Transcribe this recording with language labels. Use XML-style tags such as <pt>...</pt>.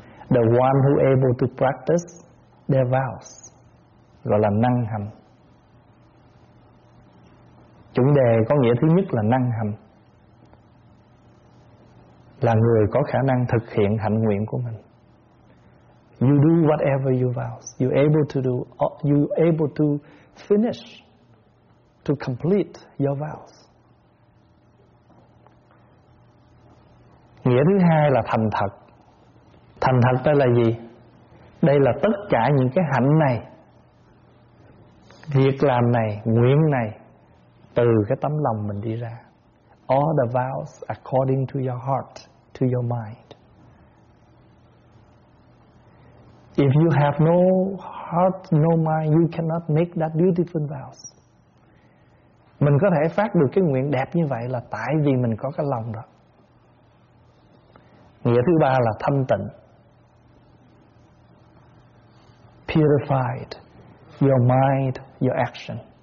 <en>The one who able to practice their vows,</en> <vi>gọi là năng hành. Chủ đề có nghĩa thứ nhất là năng hành, là người có khả năng thực hiện hạnh nguyện của mình.</vi> <en>You do whatever you vows, you able to do, you able to finish, to complete your vows.</en> <vi>Nghĩa thứ hai là thành thật. Thành thật đây là gì? Đây là tất cả những cái hạnh này, việc làm này, nguyện này, từ cái tấm lòng mình đi ra.</vi> <en>All the vows according to your heart, to your mind. If you have no heart, no mind, you cannot make that beautiful vows.</en> <vi>Mình có thể phát được cái nguyện đẹp như vậy là tại vì mình có cái lòng đó. Nghĩa thứ ba là thanh tịnh.</vi> <en>Purified your mind, your action.</en>